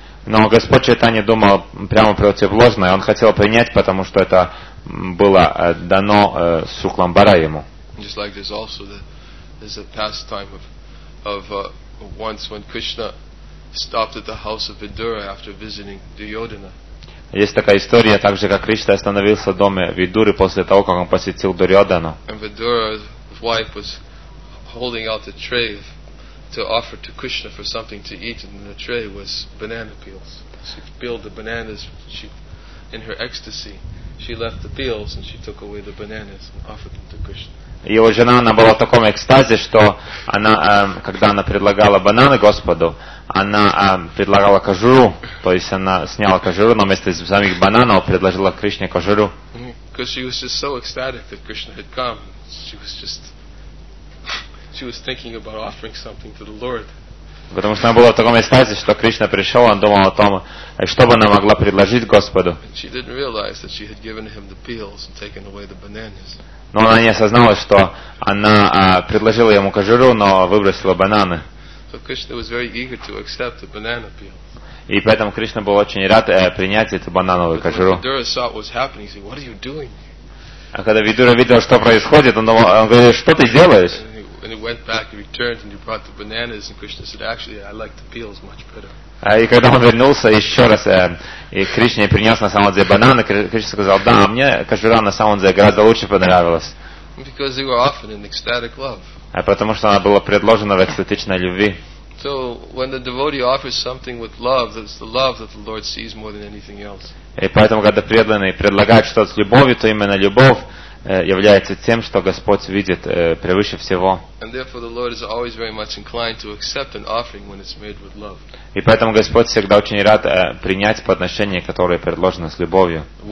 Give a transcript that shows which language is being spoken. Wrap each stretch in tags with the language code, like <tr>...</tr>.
<ru>Но Господь Чайтанья думал прямо противоположное. Он хотел принять, потому что это было дано Шукламбара ему.</ru> <en>Just like there's also there's a pastime of once when Krishna stopped at the house of Vidura after visiting Duryodhana.</en> <ru>Есть такая история, также как Кришна остановился в доме Видуры после того, как он посетил Дурьодхану.</ru> <en>And Vidura's wife was holding out the tray to offer to Krishna for something to eat, and in the tray was banana peels. She peeled the bananas. She, in her ecstasy, she left the peels and she took away the bananas and offered them to Krishna.</en> <ru>Его жена, она была в таком экстазе, что она, когда она предлагала бананы Господу, она предлагала кожуру, то есть она сняла кожуру, но вместо самих бананов предложила Кришне кожуру.</ru> <en>Because she was just so ecstatic that Krishna had come, she was just. She was thinking about offering something to the Lord.</en> <ru>Потому что она была в таком экстазе, что Кришна пришел, она думала о том, что бы она могла предложить Господу.</ru> <en>She didn't realize that she had given him the peels and taken away the bananas.</en> <ru>Но она не осознала, что она предложила ему кожуру, но выбросила бананы.</ru> <en>So Krishna was very eager to accept the banana peel.</en> <ru>И поэтому Кришна был очень рад принять эту банановую кожуру.</ru> <en>Vidura saw what was happening. He said, "What are you doing?"</en> <ru>А когда Видура видел, что происходит, он думал, он говорит, что ты делаешь?</ru> <en>And he went back and returned and he brought the bananas and Krishna said, actually, I like the peels much better.</en> <ru>И когда он вернулся еще раз, и Кришна принес на самом деле бананы, Кришна сказал, да, а мне кожура на самом деле гораздо лучше понравилась.</ru> <en>Because they were offered in ecstatic love.</en> <ru>А потому что она была предложена в экстатичной любви.</ru> <en>So when the devotee offers something with love, that's the love that the Lord sees more than anything else.</en> <ru>И поэтому, когда преданный предлагает что-то с любовью, то именно любовь является тем, что Господь видит превыше всего. И поэтому Господь всегда очень рад принять подношение, которое предложено с любовью.</ru>